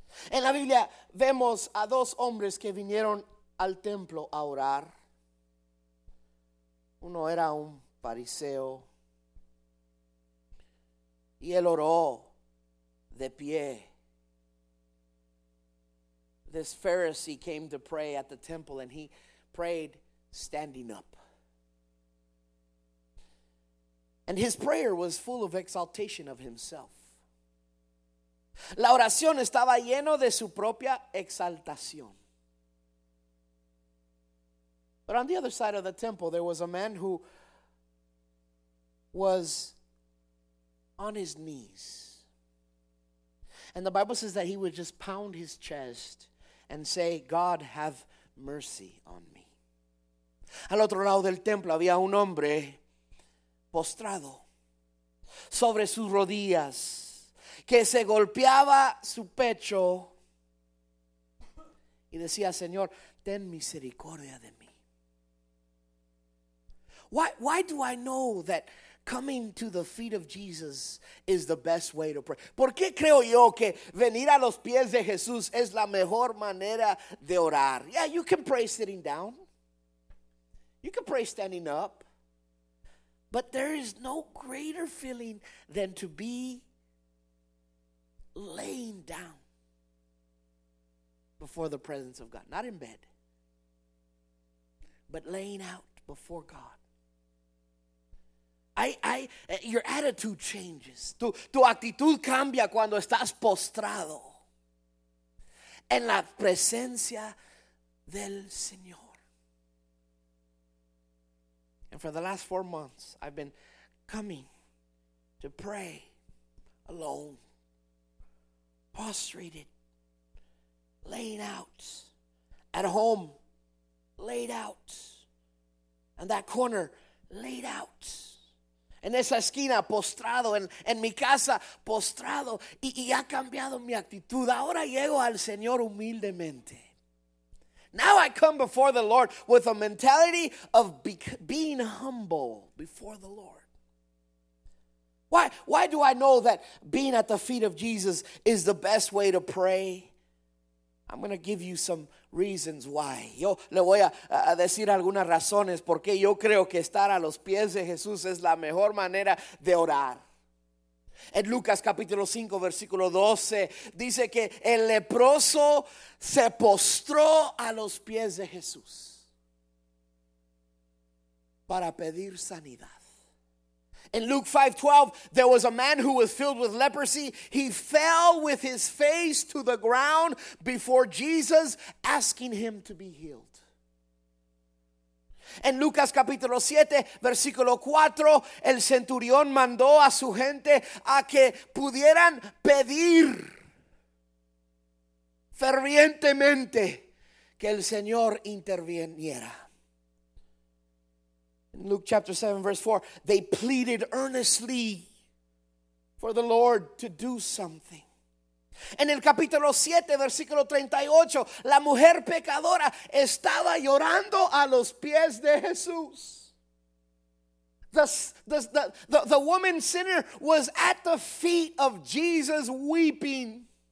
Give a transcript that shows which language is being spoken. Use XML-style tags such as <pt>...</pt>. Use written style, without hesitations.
<es>En la Biblia vemos a dos hombres que vinieron al templo a orar. Uno era un fariseo y él oró de pie.</es> <en>This Pharisee came to pray at the temple and he prayed standing up. And his prayer was full of exaltation of himself.</en> <es>La oración estaba lleno de su propia exaltación.</es> <en>But on the other side of the temple, there was a man who was on his knees. And the Bible says that he would just pound his chest and say, God, have mercy on me.</en> <es>Al otro lado del templo había un hombre postrado sobre sus rodillas que se golpeaba su pecho y decía, Señor, ten misericordia de mí.</es> <en>Why do I know that coming to the feet of Jesus is the best way to pray?</en> <es>¿Por qué creo yo que venir a los pies de Jesús es la mejor manera de orar?</es> <en>Yeah, you can pray sitting down. You can pray standing up. But there is no greater feeling than to be laying down before the presence of God. Not in bed, but laying out before God. Your attitude changes.</en> <es>Tu actitud cambia cuando estás postrado en la presencia del Señor.</es> <en>And for the last 4 months, I've been coming to pray alone, prostrated, laying out at home, laid out in that corner, laid out.</en> <es>En esa esquina, postrado, en mi casa, postrado. Y ha cambiado mi actitud. Ahora llego al Señor humildemente.</es> <en>Now I come before the Lord with a mentality of being humble before the Lord. Why do I know that being at the feet of Jesus is the best way to pray? I'm going to give you some reasons why.</en> <es>Yo le voy a decir algunas razones por qué yo creo que estar a los pies de Jesús es la mejor manera de orar. En Lucas capítulo 5 versículo 12 dice que el leproso se postró a los pies de Jesús para pedir sanidad.</es> <en>In Luke 5:12, there was a man who was filled with leprosy. He fell with his face to the ground before Jesus, asking him to be healed.</en> <es>In Lucas capítulo 7, versículo 4, el centurión mandó a su gente a que pudieran pedir fervientemente que el Señor interviniera.</es> <en>In Luke chapter 7 verse 4, they pleaded earnestly for the Lord to do something.</en> <es>En el capítulo 7 versículo 38, la mujer pecadora estaba llorando a los pies de Jesús.</es> <en>The woman sinner was at the feet of Jesus weeping.</en>